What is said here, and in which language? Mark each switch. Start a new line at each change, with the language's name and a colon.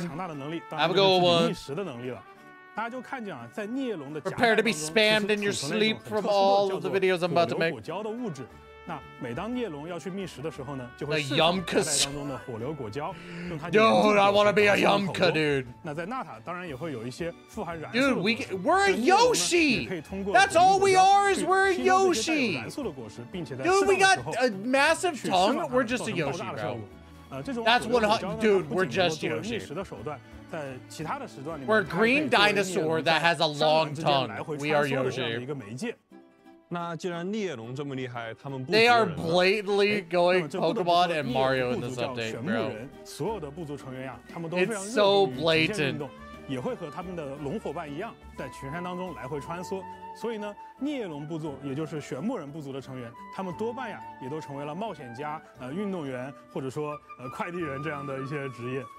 Chinese: 强大的能力，当然就是觅食的能力了。大家就看见啊，在涅龙的甲板当中，储存了一种很特殊的叫做果流果胶的物质。那每当涅龙要去觅食的时候呢，就会释放甲板当中的火流果胶，用它粘住口中。
English: Dude, I want to be a Yumka, dude.
Chinese: 那在纳塔当然也会有一些富含燃素。
English: Dude, we're a Yoshi. That's all we are is we're a Yoshi.
Chinese: 燃素的果实，并且在
English: Dude, we got a massive tongue. We're just a Yoshi, bro. That's what, dude. We're just Yoshi.
Chinese: 觅食的手段。
English: We're a green dinosaur that has a long tongue. We are Yoshi.
Chinese: 那既然涅龙这么厉害，他们
English: They are blatantly going Pokemon and Mario in this update, bro.
Chinese: 所有的部族成员呀，他们都
English: It's so blatant.
Chinese: 也会和他们的龙伙伴一样，在群山当中来回穿梭。所以呢，涅龙部族，也就是玄木人部族的成员，他们多半呀，也都成为了冒险家、运动员，或者说快递员这样的一些职业。